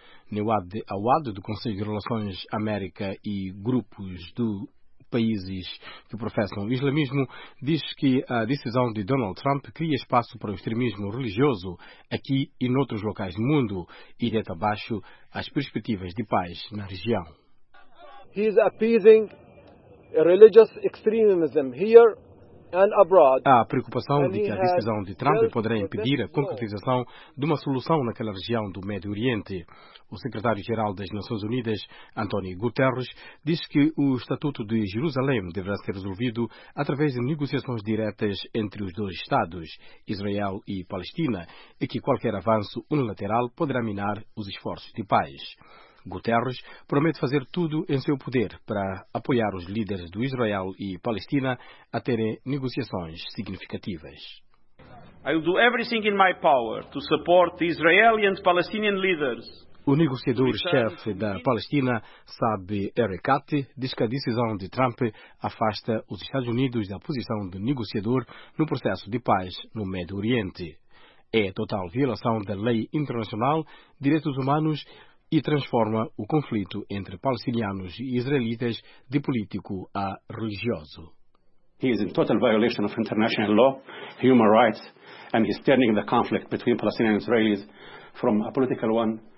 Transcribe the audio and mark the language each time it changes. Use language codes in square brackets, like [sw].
[pt] Nawad Awad, do Conselho de Relações América e Grupos do Países que professam o islamismo, diz que a decisão de Donald Trump cria espaço para o extremismo religioso aqui e noutros locais do mundo e deita abaixo as perspectivas de paz na região. [en] He is appeasing religious extremism here and abroad. [pt] Há a preocupação de que a decisão de Trump poderá impedir a concretização de uma solução naquela região do Médio Oriente. O secretário-geral das Nações Unidas, António Guterres, disse que o Estatuto de Jerusalém deverá ser resolvido através de negociações diretas entre os dois Estados, Israel e Palestina, e que qualquer avanço unilateral poderá minar os esforços de paz. Guterres promete fazer tudo em seu poder para apoiar os líderes do Israel e Palestina a terem negociações significativas. [en] I will do everything in my power to support the Israeli and Palestinian leaders. [pt] O negociador-chefe da Palestina, Saab Erekat, diz que a decisão de Trump afasta os Estados Unidos da posição de negociador no processo de paz no Médio Oriente. É total violação da lei internacional, direitos humanos e transforma o conflito entre palestinianos e israelitas de político a religioso. [en] He is in total violation of international law, human rights, and he is turning the conflict between Palestinians and Israelis from a political one.